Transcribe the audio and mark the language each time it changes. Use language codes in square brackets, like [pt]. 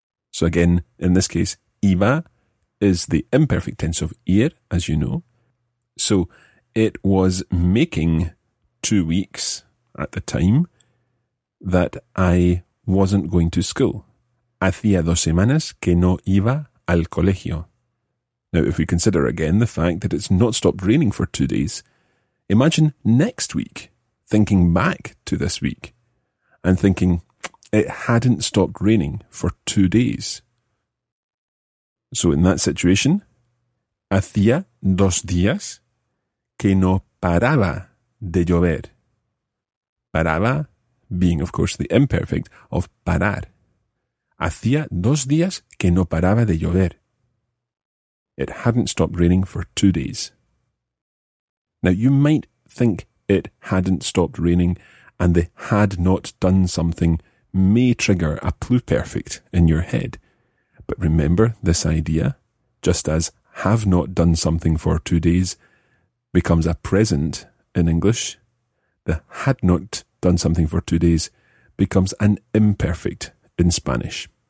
[en] So again, in this case, iba is the imperfect tense of ir, as you know. So it was making 2 weeks at the time that I wasn't going to school. [es] Hacía 2 semanas que no iba al colegio. [en] Now, if we consider again the fact that it's not stopped raining for 2 days, imagine next week, thinking back to this week, and thinking, it hadn't stopped raining for 2 days. So in that situation, [es] hacía 2 días que no paraba de llover. [en] Paraba being, of course, the imperfect of parar. [es] Hacía 2 días que no paraba de llover. [en] It hadn't stopped raining for 2 days. Now, you might think it hadn't stopped raining and they had not done something may trigger a pluperfect in your head. But remember this idea, just as have not done something for 2 days becomes a present in English, the had not done something for 2 days becomes an imperfect in Spanish.